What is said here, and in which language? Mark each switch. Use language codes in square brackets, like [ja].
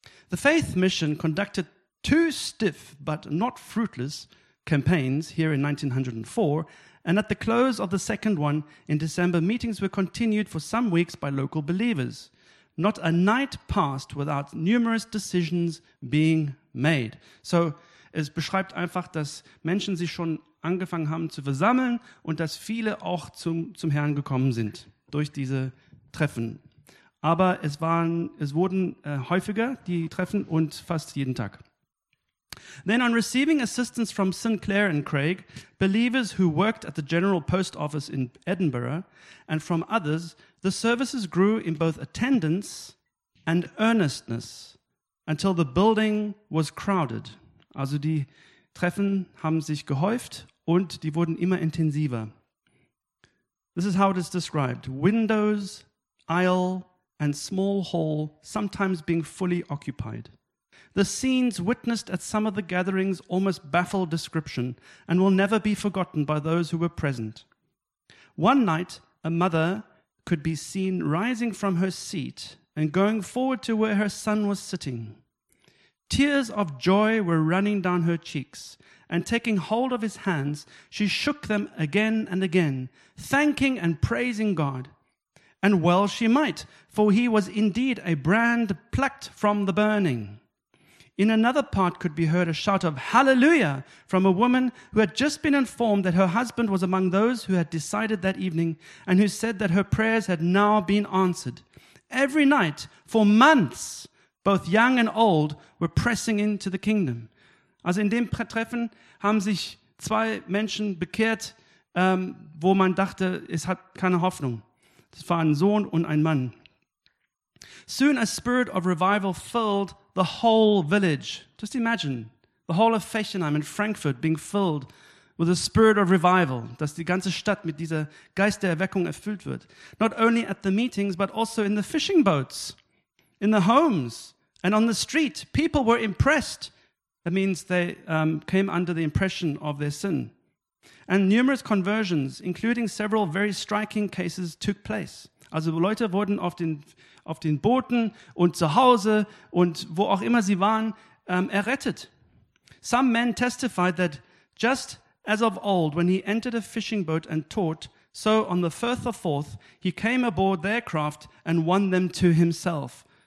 [en] The Faith Mission conducted two stiff but not fruitless campaigns here in 1904, and at the close of the second one in December, meetings were continued for some weeks by local believers. Not a night passed without numerous decisions being made. [de] So es beschreibt einfach, dass Menschen sich schon angefangen haben zu versammeln und dass viele auch zum Herrn gekommen sind durch diese Treffen. Aber es wurden häufiger, die Treffen, und fast jeden Tag. [en] Then on receiving assistance from Sinclair and Craig, believers who worked at the General Post Office in Edinburgh, and from others, the services grew in both attendance and earnestness, until the building was crowded. [de] Also die Treffen haben sich gehäuft und die wurden immer intensiver. [en] This is how it is described. Windows, aisle, and small hall, sometimes being fully occupied. The scenes witnessed at some of the gatherings almost baffle description and will never be forgotten by those who were present. One night, a mother could be seen rising from her seat and going forward to where her son was sitting. Tears of joy were running down her cheeks, and taking hold of his hands, she shook them again and again, thanking and praising God. And well she might, for he was indeed a brand plucked from the burning. In another part could be heard a shout of hallelujah from a woman who had just been informed that her husband was among those who had decided that evening and who said that her prayers had now been answered. Every night, for months, both young and old were pressing into the kingdom. [de] Also in dem Treffen haben sich zwei Menschen bekehrt, wo man dachte, es hat keine Hoffnung. Es war ein Sohn und ein Mann. [en] Soon a spirit of revival filled the whole village. Just imagine, the whole of Fechenheim in Frankfurt being filled with a spirit of revival, [de] dass die ganze Stadt mit dieser Geist der Erweckung erfüllt wird. [en] Not only at the meetings, but also in the fishing boats, in the homes, and on the street. People were impressed. That means they came under the impression of their sin. And numerous conversions, including several very striking cases, took place. [de] Also Leute wurden auf den Booten und zu Hause und wo auch immer sie waren, errettet. [en] Some men testified that just as of old, when he entered a fishing boat and taught, so on the Firth of Forth, he came aboard their craft and won them to himself.